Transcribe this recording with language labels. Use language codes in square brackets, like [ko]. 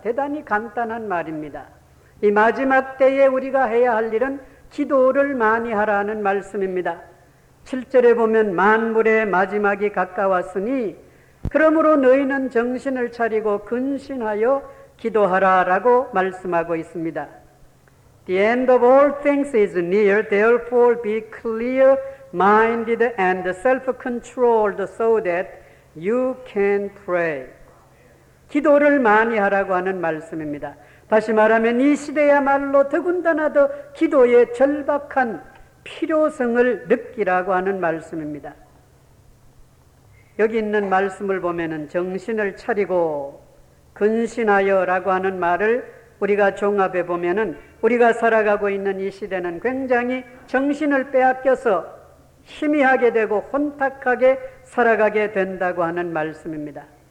[ko] 대단히 간단한 말입니다. 이 마지막 때에 우리가 해야 할 일은 기도를 많이 하라는 말씀입니다. 7절에 보면 만물의 마지막이 가까웠으니 그러므로 너희는 정신을 차리고 근신하여 기도하라 라고 말씀하고 있습니다. [en] The end of all things is near, therefore be clear-minded and self-controlled so that you can pray. [ko] 기도를 많이 하라고 하는 말씀입니다. 다시 말하면 이 시대야말로 더군다나 더 기도의 절박한 필요성을 느끼라고 하는 말씀입니다. 여기 있는 말씀을 보면은 정신을 차리고 근신하여라고 하는 말을 우리가 종합해 보면은 우리가 살아가고 있는 이 시대는 굉장히 정신을 빼앗겨서 희미하게 되고 혼탁하게 살아가게 된다고 하는 말씀입니다.